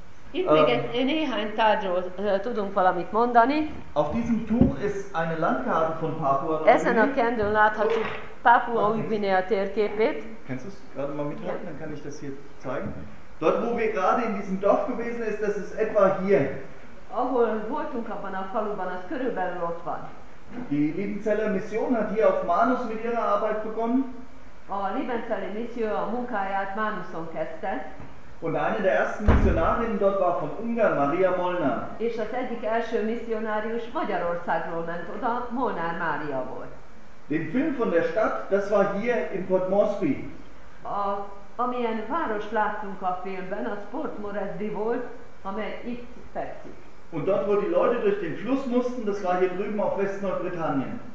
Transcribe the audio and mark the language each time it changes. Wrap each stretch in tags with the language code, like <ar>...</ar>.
<hu>Itt még néhány tárgyról tudunk valamit mondani.</hu> <de>Auf diesem Tuch ist eine Landkarte von Papua.</de> <hu>Ezen a kendőn láthatjuk Papua Új-Guinea térképét.</hu> <de>Kannst du es gerade mal mithalten, yeah. Dann kann ich das hier zeigen. Dort, wo wir gerade in diesem Dorf gewesen ist, das ist etwa hier.</de> <hu>Ahol voltunk abban a faluban, az körülbelül ott van.</hu> <de>Die Liebenzeller Mission hat hier auf Manus mit ihrer Arbeit begonnen.</de> <hu>A Liebenzeller Mission a munkáját Manuson kezdte.</hu> <de>Und eine der ersten Missionarinnen dort war von Ungarn, Maria Molnár.</de> <hu>És az egyik első missionárius Magyarországról ment oda, Molnár Mária volt.</hu> <de>Den Film von der Stadt, das war hier in Port Moresby.</de> <hu>Amilyen város láttunk a filmben, az Port Moresby volt, amely itt fekszik.</hu> <de>Und dort, wo die Leute durch den Fluss mussten, das war hier drüben auf Westnordbritannien.</de>